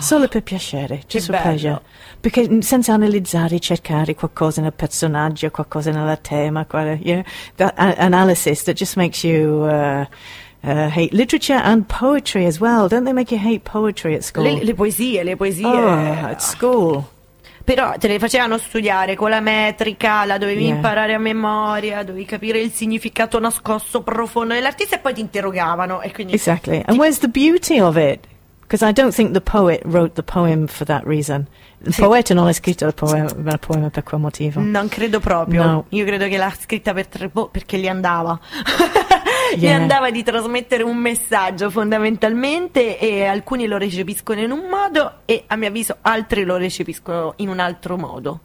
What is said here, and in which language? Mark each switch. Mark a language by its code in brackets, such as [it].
[it] solo per piacere, [en] just for pleasure. [it] Perché senza analizzare, cercare qualcosa nel personaggio, qualcosa nel tema, [en] analysis that just makes you hate literature and poetry as well. Don't they make you hate poetry at school? [it] Le poesie. [en] Oh, at school. [it] però te le facevano studiare con la metrica, la dovevi imparare a memoria, dovevi capire il significato nascosto profondo dell'artista, e poi ti interrogavano, e quindi [en] exactly. And where's the beauty of it? Because I don't think the poet wrote the poem for that reason. [it] Il poeta non ha scritto il poema per quel motivo. Non credo proprio. No. Io credo che l'ha scritta per perché gli andava. Gli andava di trasmettere un messaggio fondamentalmente, e alcuni lo recepiscono in un modo e a mio avviso altri lo recepiscono in un altro modo.